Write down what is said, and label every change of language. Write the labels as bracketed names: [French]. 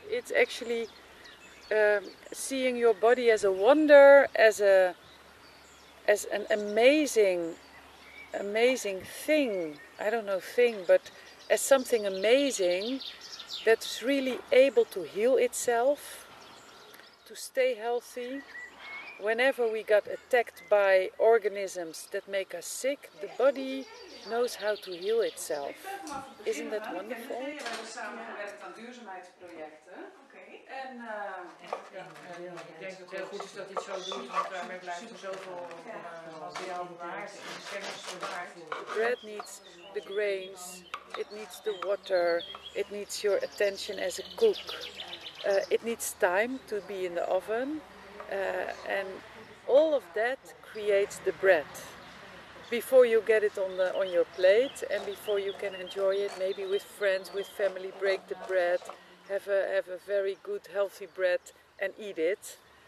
[English] It's actually seeing your body as a wonder, as an amazing thing, I don't know thing, but as something amazing that's really able to heal itself, to stay healthy. Whenever we got attacked by organisms that make us sick, the body knows how to heal itself. Isn't that wonderful? [Dutch] We hebben samengewerkt aan duurzaamheidsprojecten. Oké. En ik denk dat het heel goed is dat hij het zo doet, want daarmee blijft er zoveel materiaal bewaard en de kennis bewaard. [English] The bread needs the grains, it needs the water, it needs your attention as a cook. It needs time to be in the oven. And all of that creates the bread. Before you get it on your plate, and before you can enjoy it, maybe with friends, with family, break the bread, have a very good, healthy bread, and eat it.